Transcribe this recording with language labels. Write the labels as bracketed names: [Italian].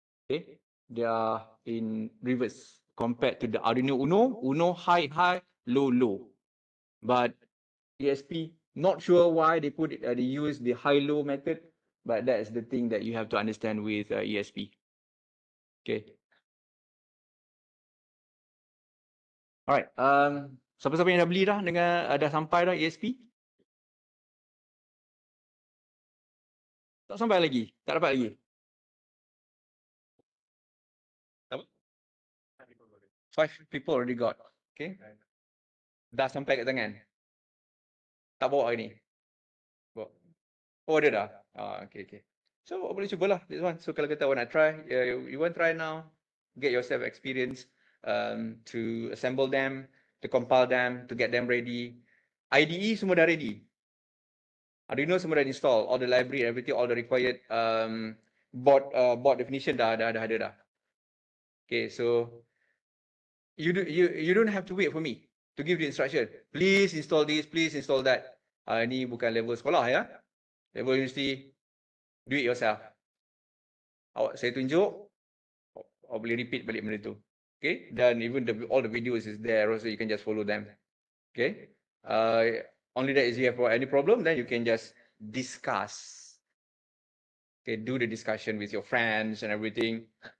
[English] Okay, they are in reverse compared to the Arduino Uno. Uno high, high, low, low. But ESP, not sure why they put it, they use the high, low method, but that is the thing that you have to understand with ESP. Okay. [Malay] Alright, siapa-siapa yang dah beli dah dengan dah sampai dah ESP? Tak sampai lagi, tak dapat lagi. Apa? [English] 5 people already got. [Malay] Okay. Dah sampai kat tangan. Tak bawa hari ni. Bawa. Oh, ada dah. Oh, okay, okay. [English] So, [Malay] boleh cubalah [English] this one. So, [Malay] kalau kata [English] wanna try, you want try now, get yourself experience. To assemble them, to compile them, to get them ready. IDE [Malay] semua dah [English] ready. Arduino semua dah install, all the library, everything, all the required board board definition [Malay] dah ada dah. [English] Okay, so you don't have to wait for me to give the instruction. Please install this, please install that. [Malay] Ini bukan level sekolah ya. [English] Level university, do it yourself. [Malay] Awak saya tunjuk, awak boleh repeat balik benda tu. [English] Okay, then even the all the videos is there, so you can just follow them. Okay, only that is, if you have any problem, then you can just discuss. Okay, do the discussion with your friends and everything.